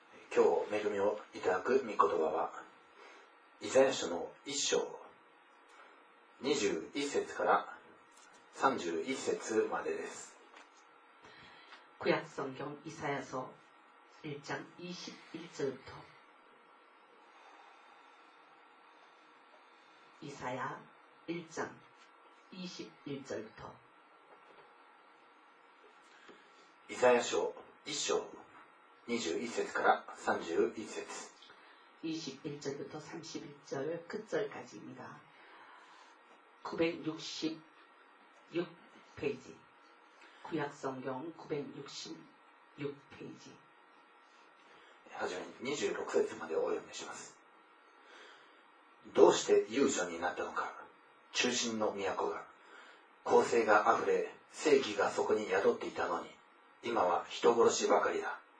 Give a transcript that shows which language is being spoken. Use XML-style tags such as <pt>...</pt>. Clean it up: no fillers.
<ja>今日恵みをいただく御言葉は、イザヤ書の一章、21節から31節までです。</ja> <ko>구약성경이사야서1장21절부터이사야1장21절부터 이사야서1장21절부터31절 21절부터31절끝절까지입니다966페이지구약성경966페이지</ko> <ja>はじめに26節までお読みします。どうして遊女になったのか。中心の都が公正があふれ正義がそこに宿っていたのに、今は人殺しばかりだ。</ja>